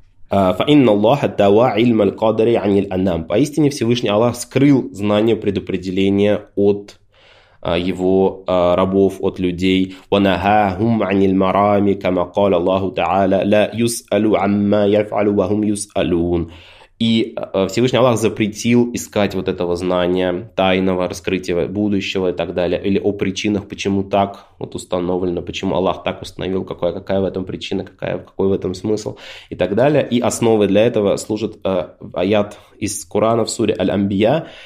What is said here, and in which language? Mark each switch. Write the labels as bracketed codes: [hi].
[ar] فإن الله توا علم القدر عن الأنام. [ru] Поистине Всевышний Аллах скрыл знание предопределения от его рабов, от людей. [ar] ونهاهم عن المرام كما قال الله تعالى لا يسألوا عما يفعلوا وهم يسألون. [ru] И Всевышний Аллах запретил искать вот этого знания, тайного раскрытия будущего и так далее, или о причинах, почему так вот установлено, почему Аллах так установил, какая в этом причина, какой в этом смысл и так далее. И основой для этого служит аят из Корана в суре Аль-Амбия.